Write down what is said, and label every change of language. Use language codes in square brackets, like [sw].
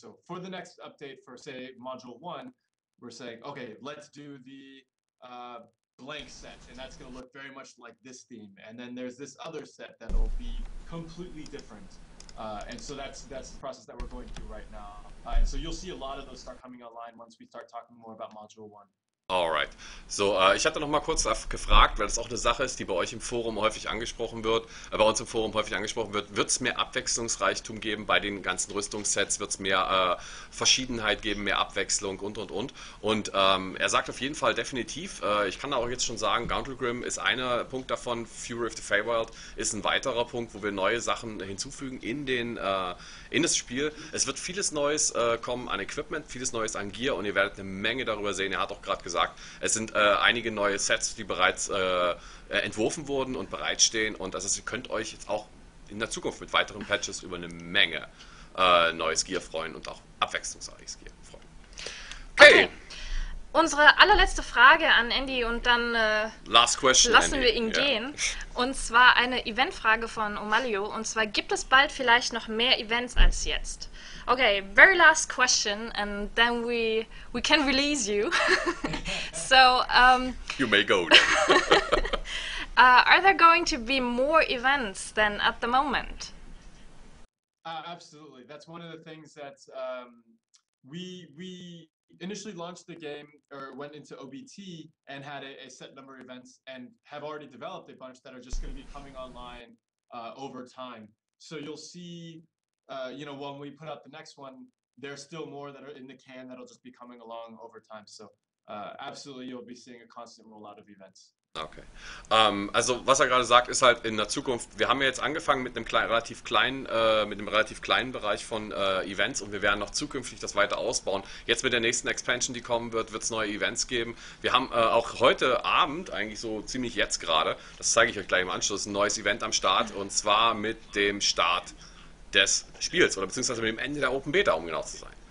[en] So for the next update, for say module one, we're saying, okay, let's do the blank set, and that's going to look very much like this theme. And then there's this other set that'll be completely different. And so that's the process that we're going through right now. And so you'll see a lot of those start coming online once we start talking more about module one. Alright. [de] So, ich hatte noch mal kurz gefragt, weil das auch eine Sache ist, die bei euch im Forum häufig angesprochen wird, bei uns im Forum häufig angesprochen wird. Wird es mehr Abwechslungsreichtum geben bei den ganzen Rüstungssets? Wird es mehr Verschiedenheit geben, mehr Abwechslung und und? Und er sagt auf jeden Fall definitiv, ich kann auch jetzt schon sagen, Gauntlegrim ist einer Punkt davon, Fury of the Feywild ist ein weiterer Punkt, wo wir neue Sachen hinzufügen in das Spiel. Es wird vieles Neues kommen an Equipment, vieles Neues an Gear und ihr werdet eine Menge darüber sehen. Er hat auch gerade gesagt, es sind einige neue Sets, die bereits entworfen wurden und bereitstehen. Und das heißt, ihr könnt euch jetzt auch in der Zukunft mit weiteren Patches über eine Menge neues Gear freuen und auch abwechslungsreiches Gear freuen. Okay, unsere allerletzte Frage an Andy und dann [en] Last question, [de] lassen wir [en] Andy. [de] ihn gehen. Und zwar eine Eventfrage von Omalio. Und zwar, gibt es bald vielleicht noch mehr Events als jetzt? [en] Okay, very last question, and then we can release you. So, You may go are there going to be more events than at the moment? Absolutely. That's one of the things that we initially launched the game or went into OBT and had a set number of events and have already developed a bunch that are just going to be coming online over time. So you'll see, when we put out the next one, there's still more that are in the can that'll just be coming along over time. So absolutely, you'll be seeing a constant rollout of events. Okay. [de] Also was er gerade sagt, ist halt in der Zukunft, wir haben ja jetzt angefangen mit einem mit einem relativ kleinen Bereich von Events und wir werden noch zukünftig das weiter ausbauen. Jetzt mit der nächsten Expansion, die kommen wird, wird es neue Events geben. Wir haben auch heute Abend, eigentlich so ziemlich jetzt gerade, das zeige ich euch gleich im Anschluss, ein neues Event am Start und zwar mit dem Start des Spiels oder beziehungsweise mit dem Ende der Open Beta, um genau zu sein.